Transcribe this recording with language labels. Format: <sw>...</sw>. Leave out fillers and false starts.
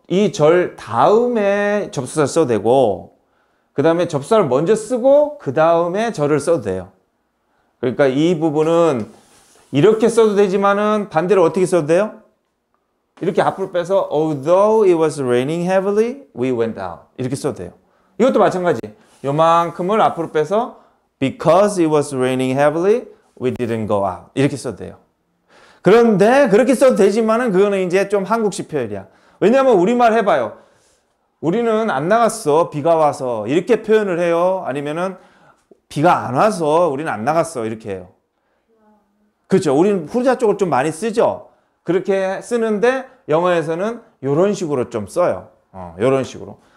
<ko>이 절 다음에 접속사를 써도 되고 그 다음에 접속사를 먼저 쓰고 그 다음에 절을 써도 돼요. 그러니까 이 부분은 이렇게 써도 되지만은 반대로 어떻게 써도 돼요? 이렇게 앞을 빼서</ko> <en>although it was raining heavily we went out</en> <ko>이렇게 써도 돼요. 이것도 마찬가지. 요만큼을 앞으로 빼서</ko> <en>because it was raining heavily we didn't go out</en> <ko>이렇게 써도 돼요. 그런데 그렇게 써도 되지만은 그거는 이제 좀 한국식 표현이야. 왜냐하면 우리말 해봐요. 우리는 안 나갔어 비가 와서 이렇게 표현을 해요. 아니면은 비가 안 와서 우리는 안 나갔어 이렇게 해요. 그렇죠. 우리는 후자 쪽을 좀 많이 쓰죠. 그렇게 쓰는데 영어에서는 이런 식으로 좀 써요. 이런 식으로.</ko>